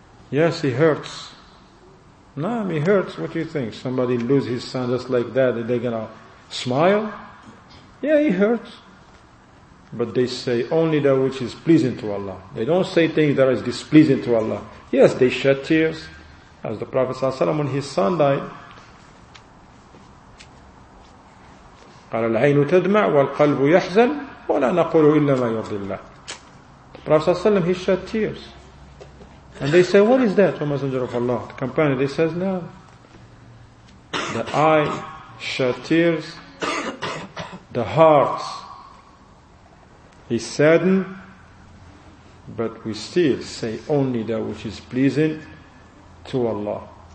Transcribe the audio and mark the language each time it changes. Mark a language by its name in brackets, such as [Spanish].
[English] Yes, he hurts. No, he hurts. What do you think? Somebody lose his son just like that, are they gonna smile? Yeah, he hurts. But they say only that which is pleasing to Allah. They don't say things that is displeasing to Allah. Yes, they shed tears. As the Prophet Sallallahu Alaihi Wasallam, when his son died, [Arabic] قَالَ الْعَيْنُ تَدْمَعْ وَالْقَلْبُ يَحْزَنْ وَلَا نَقُولُ إِلَّا مَا يَرْضِ اللَّهِ. [English] The Prophet Sallallahu Alaihi Wasallam, he shed tears. And they say, what is that, O Messenger of Allah? The companion, they says, no. The eye shed tears, the heart is saddened, but we still say only that which is pleasing to Allah.